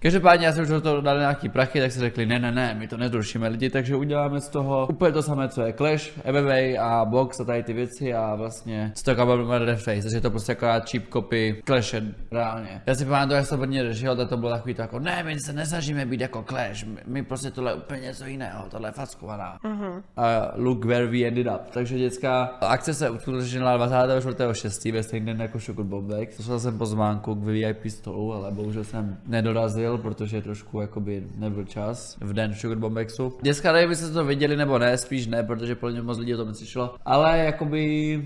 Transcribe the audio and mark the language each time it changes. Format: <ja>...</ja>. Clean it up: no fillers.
<cs>Každopádně já jsem už do toho dali nějaký prachy, tak si řekli, ne, my to nezrušíme lidi, takže uděláme z toho úplně to samé, co je Clash, MMA a Box a tady ty věci a vlastně z toho kabelu Red Face, takže je to prostě akorát</cs> <en>cheap copy</en> <cs>Clash, reálně. Já si pamatuju, jak se to hodně řešil, tak to bylo takový to jako, ne, my se nesnažíme být jako Clash, my prostě tohle úplně něco jiného, tohle je fackovaná.</cs> <en>Uh-huh. A look where we ended up.</en> <cs>Takže dětská akce se uskutečnila 24.6. ve stejný den jako Sugar Bombex. Dostal jsem pozvánku k VIP stolu, ale bohužel jsem nedorazil, protože trošku jakoby nebyl čas v den Sugar Bombexu. Dětská, nevím, jestli jste to viděli nebo ne, spíš ne, protože podle mě moc lidí o tom slyšelo, ale jakoby...</cs>